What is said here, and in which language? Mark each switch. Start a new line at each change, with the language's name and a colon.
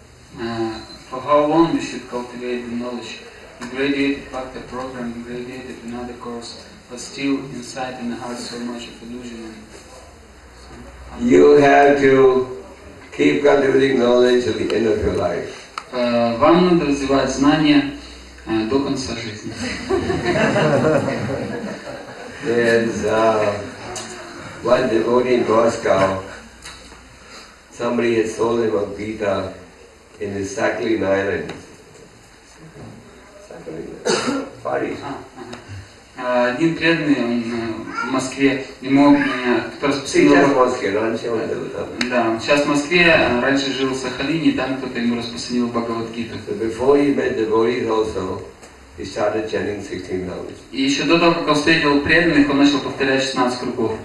English: For how long you should cultivate the knowledge, the graduated factor program, the graduated another course, but still inside in the heart so much of illusion? And you have to keep cultivating knowledge till the end of your life.
Russian: Вам надо развивать знания. До конца жизни.
English: There's one devotee in Moscow. Somebody had sold him a Gita in the Sakhalin Islands.
Russian: Один преданный в Москве, ему, кто распространил... Сейчас в Москве, раньше он был там. Да, сейчас в Москве, раньше жил в Сахалине, там кто-то ему распространил Бхагавад-гиту.
English: So before he met devotees also, he started chanting 16 rounds.
Russian: И еще до того, как он встретил преданных, он начал повторять 16 кругов.